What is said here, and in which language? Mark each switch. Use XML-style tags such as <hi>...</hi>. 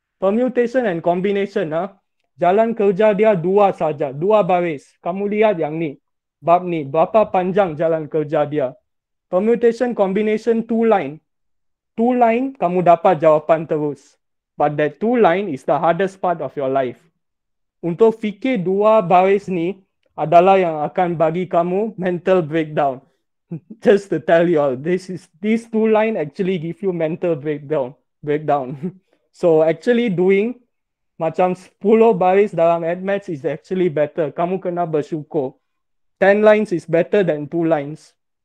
<ms>Permutation and combination, jalan kerja dia dua saja, dua baris. Kamu lihat yang ni, bab ni. Berapa panjang jalan kerja dia.</ms> <en>Permutation, combination, two line. Two line,</en> <ms>kamu dapat jawapan terus.</ms> <en>But that two line is the hardest part of your life.</en> <ms>Untuk fikir dua baris ni adalah yang akan bagi kamu mental breakdown.</ms> <en>Just to tell you all, these two line actually give you mental breakdown. So actually doing</en> <ms>macam 10 baris dalam admats</ms> <en>is actually better.</en> <ms>Kamu kena bersyukur.</ms> <en>10 lines is better than two lines.</en>